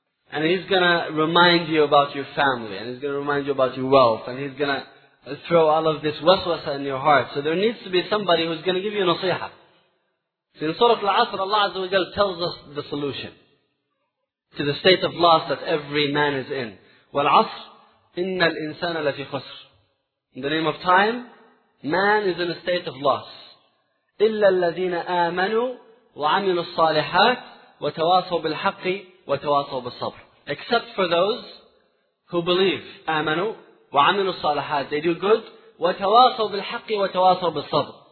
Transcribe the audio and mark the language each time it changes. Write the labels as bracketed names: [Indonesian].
[English] And he's going to remind you about your family, and he's going to remind you about your wealth, and he's going to throw all of this waswasa in your heart. So there needs to be somebody who's going to give you nasiha. See, in Surah Al-Asr, Allah Azza wa Jal tells us the solution to the state of loss that every man is in. [Arabic] Wal-Asr, إِنَّ الْإِنسَانَ لَفِي خُسْرِ. [English] In the name of time, man is in a state of loss. [Arabic] إِلَّا الَّذِينَ آمَنُوا وَعَمِلُوا الصَّالِحَاتِ وَتَوَاصَوْا بِالْحَقِّ وَتَوَاصَوْا بِالصَّبْرِ. [English] Except for those who believe. [Arabic] آمَنُوا وَعَمِلُوا الصَّالِحَاتِ. [English] They do good. [Arabic] وَتَوَاصَوْا بِالْحَقِّ وَتَوَاصَوْا بِالصَّبْرِ.